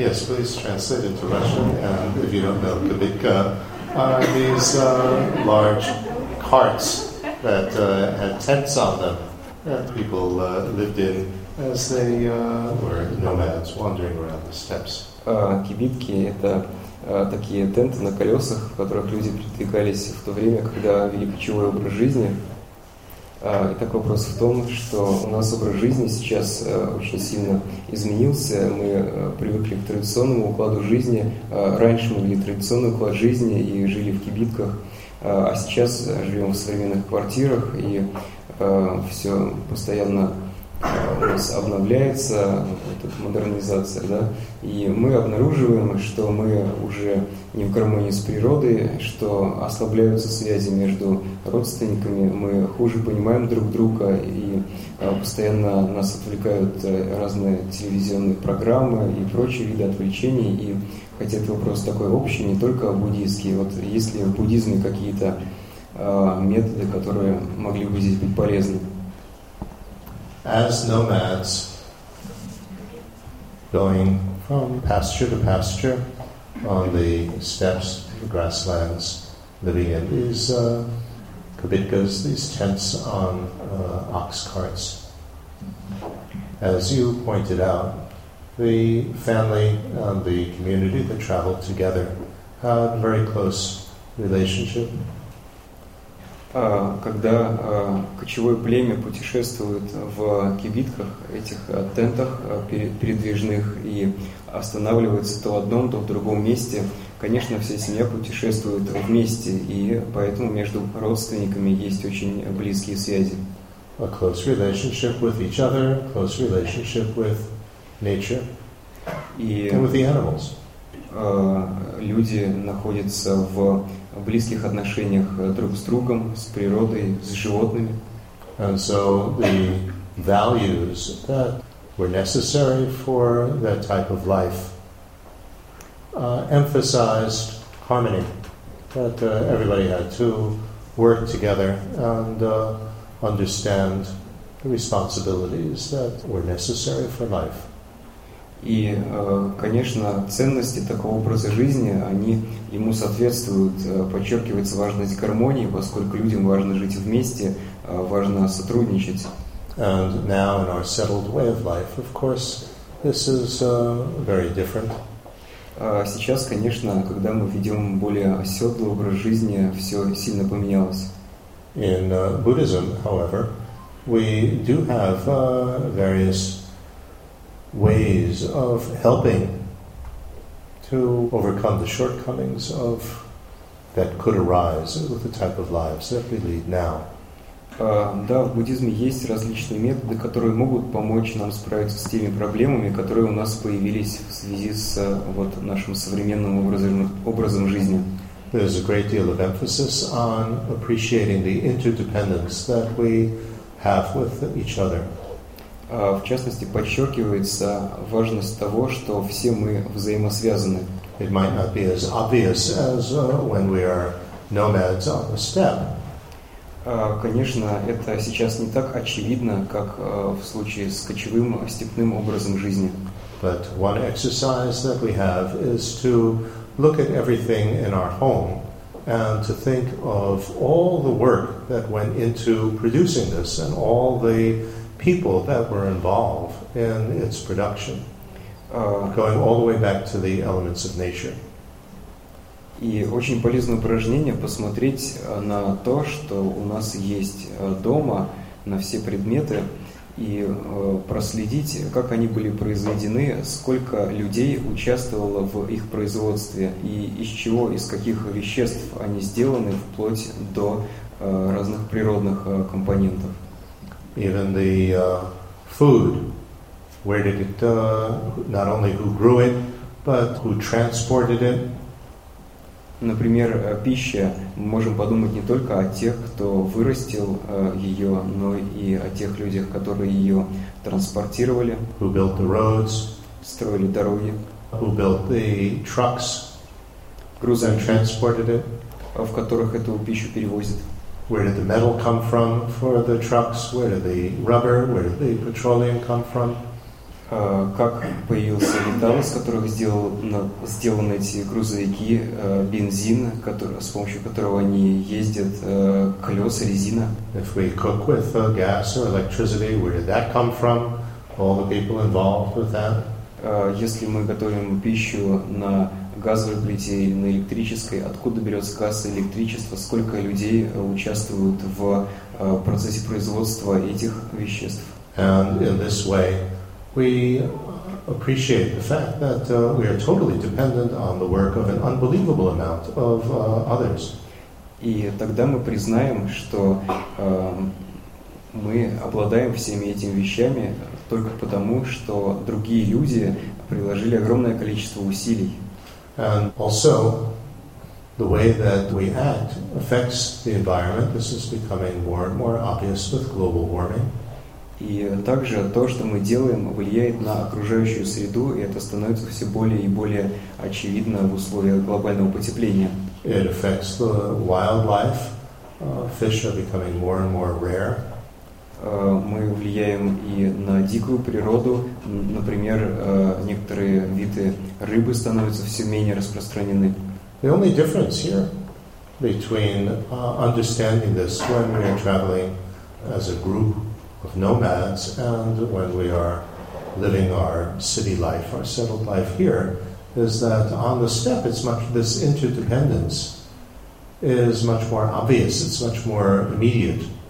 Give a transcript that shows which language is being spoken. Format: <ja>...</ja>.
<en>Yes, please translate into Russian. And if you don't know, kibitka are these large carts that had tents on them. people lived in as they were nomads wandering around the steppes.</en> <ru>Кибитки — это такие тенты на колесах, в которых люди передвигались в то время, когда вели кочевой образ жизни. И так вопрос в том, что у нас образ жизни сейчас очень сильно изменился. Мы привыкли к традиционному укладу жизни. Раньше мы вели традиционный уклад жизни и жили в кибитках, а сейчас живем в современных квартирах, и все постоянно у нас обновляется, вот эта модернизация, да, и мы обнаруживаем, что мы уже не в гармонии с природой, что ослабляются связи между родственниками, мы хуже понимаем друг друга, и постоянно нас отвлекают разные телевизионные программы и прочие виды отвлечений, и хотя это вопрос такой общий, не только буддийский, вот есть ли в буддизме какие-то методы, которые могли бы здесь быть полезны.</ru> <en>As nomads, going from pasture to pasture on the steppes, the grasslands, living in these kibitkas, these tents on ox carts. As you pointed out, the family and the community that traveled together had a very close relationship.</en> <ru>Когда кочевое племя путешествует в кибитках, этих тентах передвижных и останавливается то в одном, то в другом месте, конечно, вся семья путешествует вместе, и поэтому между родственниками есть очень близкие связи.</ru> <en>A close relationship with each other, close relationship with nature, and with the animals.</en> <ru>Люди находятся в близких отношениях друг с другом, с природой, с животными.</ru> <en>And so the values that were necessary for that type of life emphasized harmony, that everybody had to work together and understand the responsibilities that were necessary for life.</en> <ru>И, конечно, ценности такого образа жизни, они ему соответствуют. Подчеркивается важность гармонии, поскольку людям важно жить вместе, важно сотрудничать.</ru> <en>And now in our settled way of life, of course, this is very different.</en> <ru>Сейчас, конечно, когда мы ведем более оседлый образ жизни, все сильно поменялось.</ru> <en>In Buddhism, however, we do have various ways of helping to overcome the shortcomings of that could arise with the type of lives that we lead now.</en> <ru>Да, в буддизме есть различные методы, которые могут помочь нам справиться с теми проблемами, которые у нас появились в связи с вот нашим современным образом жизни.</ru> <en>There's a great deal of emphasis on appreciating the interdependence that we have with each other.</en> <ru>В частности, подчеркивается важность того, что все мы взаимосвязаны.</ru> <en>It might not be as obvious as when we are nomads on the steppe.</en> <ru>Конечно, это сейчас не так очевидно, как в случае с кочевым степным образом жизни.</ru> <en>But one exercise that we have is to look at everything in our home and to think of all the work that went into producing this and all the people that were involved in its production, going all the way back to the elements of nature.</en> <ru>И очень полезное упражнение посмотреть на то, что у нас есть дома, на все предметы, и проследить, как они были произведены, сколько людей участвовало в их производстве, и из чего, из каких веществ они сделаны, вплоть до разных природных компонентов.</ru> <en>Even the food, where did it, not only who grew it, but who transported it.</en> <ru>Например, пища, мы можем подумать не только о тех, кто вырастил ее, но и о тех людях, которые ее транспортировали.</ru> <en>Who built the roads.</en> <ru>Строили дороги.</ru> <en>Who built the trucks.</en> <ru>Грузовики.</ru> <en>And transported it.</en> <ru>В которых эту пищу перевозят.</ru> <en>Where did the metal come from for the trucks? Where did the rubber, where did the petroleum come from?</en> <ru>как появился металл, с которых сделаны эти грузовики, бензин, с помощью которого они ездят, колеса, резина.</ru> <en>If we cook with gas or electricity, where did that come from? All the people involved with that?</en> <ru>Если мы готовим пищу на газовой плите или на электрической, откуда берется газ и электричество, сколько людей участвуют в процессе производства этих веществ.</ru> <en>And in this way, we appreciate the fact that we are totally dependent on the work of an unbelievable amount of others.</en> <ru>И тогда мы признаем, что мы обладаем всеми этими вещами только потому, что другие люди приложили огромное количество усилий.</ru> <en>And also, the way that we act affects the environment. This is becoming more and more obvious with global warming.</en> <ru>И также то, что мы делаем, влияет на окружающую среду, и это становится все более и более очевидно в условиях глобального потепления.</ru> <en>It affects the wildlife. Fish are becoming more and more rare.</en> <ru>Мы влияем и на дикую природу. Например, некоторые виды рыбы становятся все менее распространены.</ru> <en>The only difference here between understanding this when we are traveling as a group of nomads and when we are living our city life, our settled life here, is that on the steppe, this interdependence is much more obvious, it's much more immediate.</en>